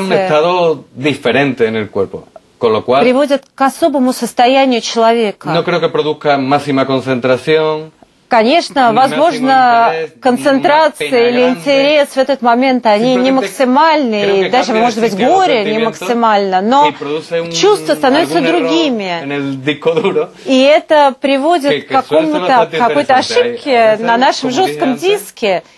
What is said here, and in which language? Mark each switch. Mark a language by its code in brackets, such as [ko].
[es] producen un estado diferente en el cuerpo, con lo cual [ru] приводят к особому состоянию человека. [es] No creo que produzca máxima concentración. [ru] Конечно, возможно, концентрация или интерес в этот момент, они не максимальны, и даже, может быть, горе не максимально, но чувства становятся другими. И это приводит к какой-то ошибке на нашем жестком диске,